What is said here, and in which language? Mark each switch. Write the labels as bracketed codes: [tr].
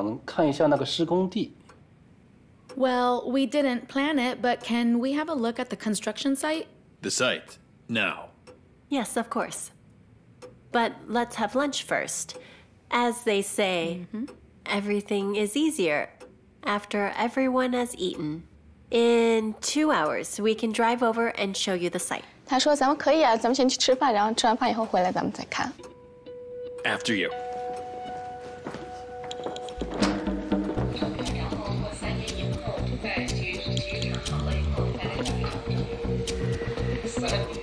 [zh] 那说我们去吃个饭吧。我们知道这个虽然在计划之外，但是的话，我们还是想看一下那个施工地。 [en] Well, we didn't plan it, but can we have a look at the construction site? The site? Now? Yes, of course. But let's have lunch first. As they say, everything is easier after everyone has eaten. In 2 hours, we can drive over and show you the site. [zh] 他说咱们可以啊，咱们先去吃饭，然后吃完饭以后回来咱们再看。 [en] After you. [zh] 三年以后，在体育场好了以后再来。